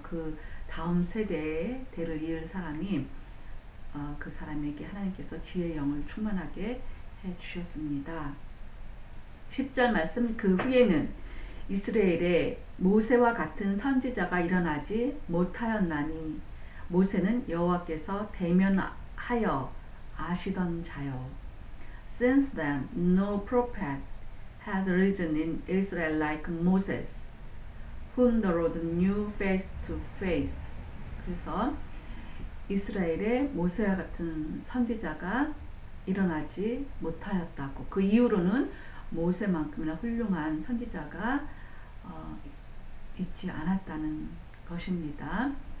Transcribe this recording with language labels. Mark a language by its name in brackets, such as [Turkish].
[Korean] 그 다음 세대의 대를 이을 사람이 그 사람에게 하나님께서 지혜의 영을 충만하게 해주셨습니다. 10절 말씀, 그 후에는 이스라엘에 모세와 같은 선지자가 일어나지 못하였나니 모세는 여호와께서 대면하여 아시던 자요. [English] Since then, no prophet has risen in Israel like Moses, whom the Lord knew face to face. [Korean] 그래서 이스라엘의 모세와 같은 선지자가 일어나지 못하였다고. 그 이후로는 모세만큼이나 훌륭한 선지자가 있지 않았다는 것입니다.